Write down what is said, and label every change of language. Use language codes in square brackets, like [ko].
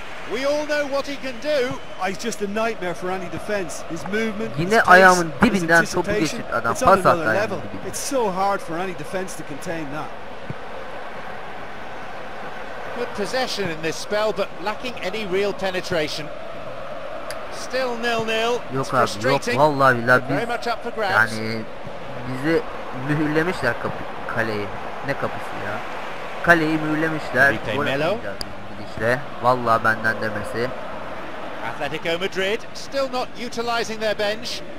[en] We all know what he can do. He's just a nightmare for any defense. His movement. [tr] Yine ayağımın dibinden topu geçirdi adam. Pas attı ayağımın dibine. [en] It's so hard for any defense to contain that. Good possession in this spell but lacking any real penetration. Still nil nil. [tr] Yok abi yok vallahi billahi biz yani bizi mühürlemişler kapı kaleyi. Ne kapısı ya? Kaleyi mühürlemişler. İşte vallahi benden demesi. [en] Atletico Madrid still not utilizing their bench.